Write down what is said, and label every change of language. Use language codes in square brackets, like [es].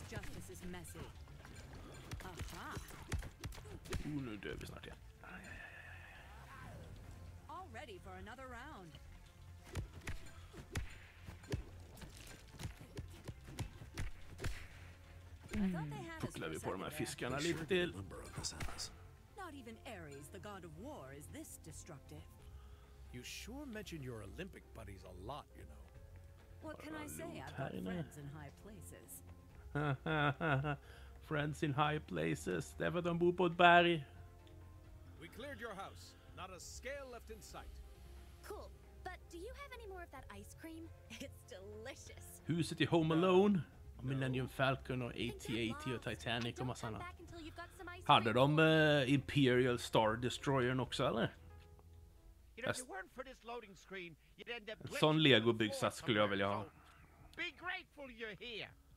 [en] Justice is messy. Aha. [sv] Nu dör vi snart igen. [en] All ready for another round. [sv] Pucklar vi på de här fiskarna lite till. [en] Not even Ares, the god of war, is this destructive. You sure mention your Olympic buddies a lot, you know. What can I say? I've got friends in high places. Friends in high places. [sv] Därför de bor på ett berg. [en] We cleared your house. Not a scale left in sight. Cool. But do you have any more of that ice cream? It's delicious. [sv] Huset i Home Alone? [en] No. [sv] Millennium Falcon och AT-AT och Titanic och massa annat. Hade de Imperial Star Destroyern också, eller? En sån Lego-byggsats skulle jag vilja ha. [en] Be grateful you're here.